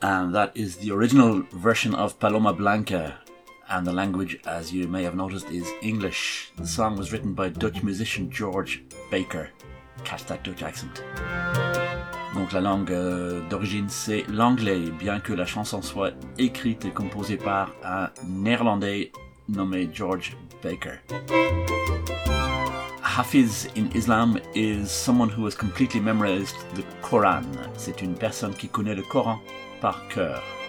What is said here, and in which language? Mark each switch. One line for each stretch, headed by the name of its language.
English: That is the original version of Paloma Blanca, and the language, as you may have noticed, is English. The song was written by Dutch musician George Baker. Catch that Dutch accent.
French: Donc la langue d'origine, c'est l'anglais, bien que la chanson soit écrite et composée par un néerlandais nommé George Baker.
English: Hafiz in Islam is someone who has completely memorized the Quran.
French: C'est une personne qui connaît le Coran par cœur.